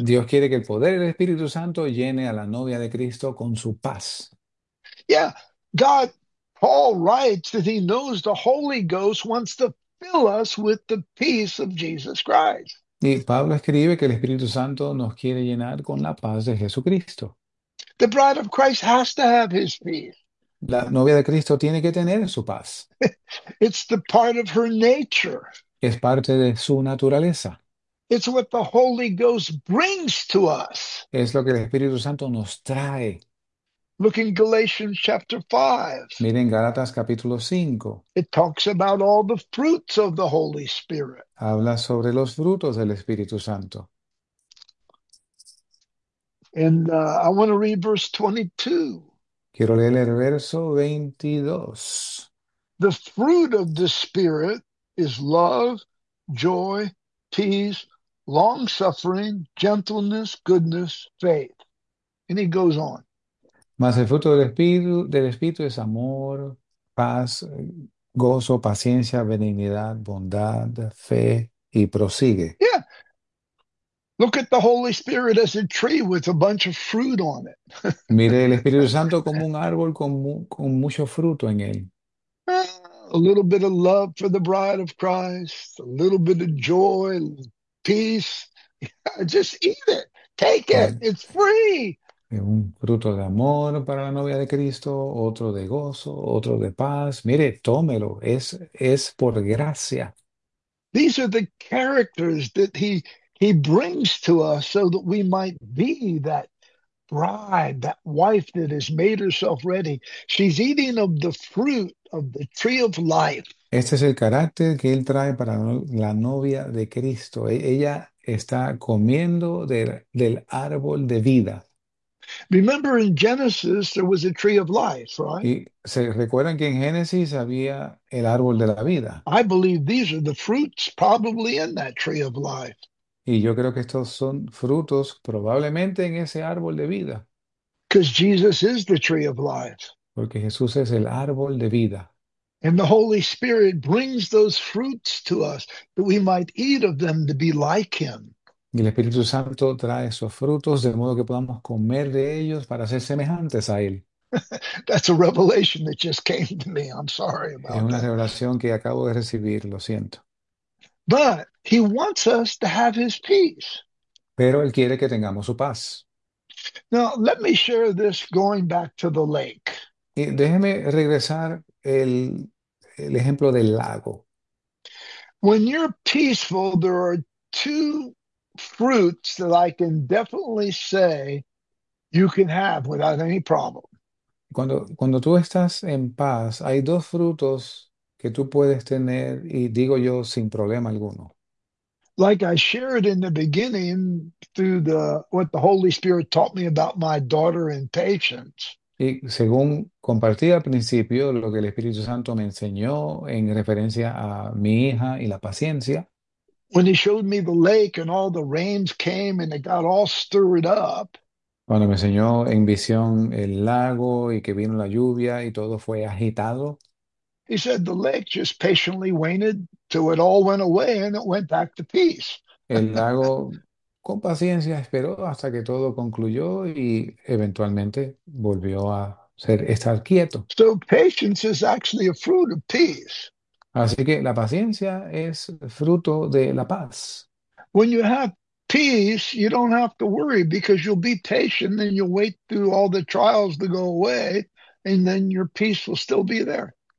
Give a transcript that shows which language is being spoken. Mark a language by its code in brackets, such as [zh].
[es] Dios quiere que el poder del Espíritu Santo llene a la novia de Cristo con su paz. [en] Yeah, God, Paul writes that he knows the Holy Ghost wants to fill us with the peace of Jesus Christ. [es] Y Pablo escribe que el Espíritu Santo nos quiere llenar con la paz de Jesucristo. [en] The bride of Christ has to have his peace. [es] La novia de Cristo tiene que tener su paz. [en] It's the part of her nature. [es] Es parte de su naturaleza. [en] It's what the Holy Ghost brings to us. [es] Es lo que el Espíritu Santo nos trae. [en] Look in Galatians chapter 5. [es] Miren Gálatas capítulo 5. [en] It talks about all the fruits of the Holy Spirit. [es] Habla sobre los frutos del Espíritu Santo. [en] And I want to read verse 22. [es] Quiero leer el verso 22. [en] The fruit of the Spirit is love, joy, peace, long suffering, gentleness, goodness, faith. And he goes on. [es] Mas el fruto del Espíritu es amor, paz, gozo, paciencia, benignidad, bondad, fe, y prosigue. [en] Look at the Holy Spirit as a tree with a bunch of fruit on it. [es] Mire el Espíritu Santo como un árbol con mucho fruto en él. [en] A little bit of love for the bride of Christ, a little bit of joy, peace. Just eat it, take it, it's free. [es] Un fruto de amor para la novia de Cristo, otro de gozo, otro de paz. Mire, tómelo, es por gracia. [en] These are the characters that he brings to us so that we might be that bride, that wife that has made herself ready. She's eating of the fruit of the tree of life. [es] Este es el carácter que él trae para la novia de Cristo. Ella está comiendo del árbol de vida. [en] Remember in Genesis, there was a tree of life, right? [es] Y se recuerdan que en Génesis había el árbol de la vida. [en] I believe these are the fruits probably in that tree of life. [es] Y yo creo que estos son frutos probablemente en ese árbol de vida. [en] Because Jesus is the tree of life. [es] Porque Jesús es el árbol de vida. [en] And the Holy Spirit brings those fruits to us that we might eat of them to be like him. [es] Y el Espíritu Santo trae esos frutos de modo que podamos comer de ellos para ser semejantes a Él. [en] That's a revelation that just came to me. I'm sorry [es] Es [en] about [es] una [en] that. [es] revelación que acabo de recibir, lo siento. [en] But he wants us to have his peace. [es] Pero él quiere que tengamos su paz. [en] Now, let me share this going back to the lake. [es] Y déjeme regresar el ejemplo del lago. [en] When you're peaceful, there are two fruits that I can definitely say you can have without any problem. [es] Cuando tú estás en paz, hay dos frutos que tú puedes tener y digo yo sin problema alguno. [en] Like I shared in the beginning through the what the Holy Spirit taught me about my daughter and patience. [es] Y según compartí al principio lo que el Espíritu Santo me enseñó en referencia a mi hija y la paciencia. [en] When he showed me the lake and all the rains came and it got all stirred up. [es] Cuando me enseñó en visión el lago y que vino la lluvia y todo fue agitado. [en] He said the lake just patiently waited till it all went away and it went back to peace. [es] El lago con paciencia esperó hasta que todo concluyó y eventualmente volvió a estar quieto. [en] So patience is actually a fruit of peace. [es] Así que la paciencia es fruto de la paz. [en] When you have peace, you don't have to worry because you'll be patient and you'll wait through all the trials to go away, and then your peace will still be there.